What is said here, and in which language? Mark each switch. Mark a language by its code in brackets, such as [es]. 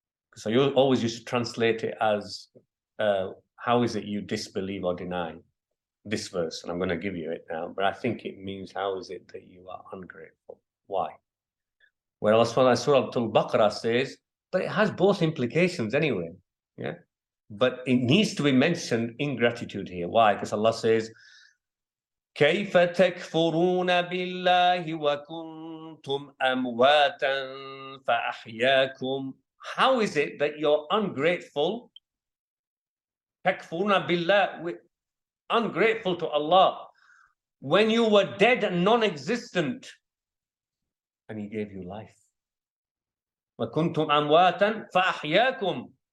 [en] Because I always used to translate it as, how is it you disbelieve or deny this verse? And I'm going to give you it now. But I think it means, how is it that you are ungrateful? Why? Well, Surah Al-Baqarah says, but it has both implications anyway. Yeah, but it needs to be mentioned in gratitude here. Why? Because Allah says, [ar] كَيْفَ تَكْفُرُونَ بِاللَّهِ وَكُنْتُمْ أَمْوَاتًا فَأَحْيَاكُمْ. [en] How is it that you're ungrateful? [ar] تَكْفُرُونَ بِاللَّهِ. [en] Ungrateful to Allah. When you were dead and non-existent, and he gave you life. [ar] وَكُنْتُمْ أَمْوَاتًا فَأَحْيَاكُمْ.